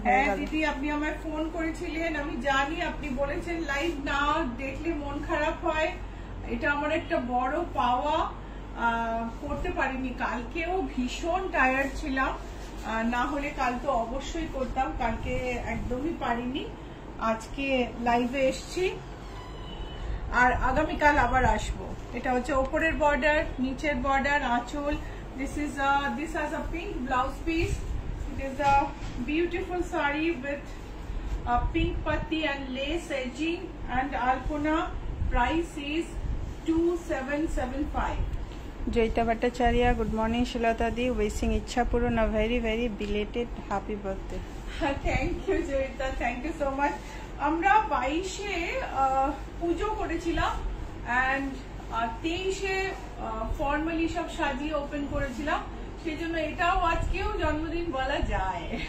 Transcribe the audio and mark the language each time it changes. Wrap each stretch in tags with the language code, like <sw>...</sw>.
<bn>হ্যাঁ দিদি, আপনি আমায় ফোন করেছিলেন, আমি জানি আপনি বলেছেন লাইভ না দেখলে মন খারাপ হয়, এটা আমার একটা বড় পাওয়া, করতে পারিনি কালকেও, ভীষণ টায়ার্ড ছিলাম, না হলে কাল তো অবশ্যই করতাম, কালকে একদমই পারিনি, আজকে লাইভে এসেছি, আর আগামীকাল আবার আসব। এটা হচ্ছে ওপরের বর্ডার, নিচের বর্ডার, আঁচল।</bn> <en>This has a pink blouse piece. It is a beautiful sari with a pink patti and lace edging, and Alpona price is 2775. Joyita Bhattacharya, good morning Shilata দি, wishing ইচ্ছা পূরণ, a very very belated happy birthday. Thank you Joyita, thank you so much.</en> <bn>আমরা 22-এ পুজো করেছিলাম and 23-এ formally সব সাজিয়ে open করেছিলাম, সেই জন্য এটাও আজকেও জন্মদিন বলা যায়।</bn>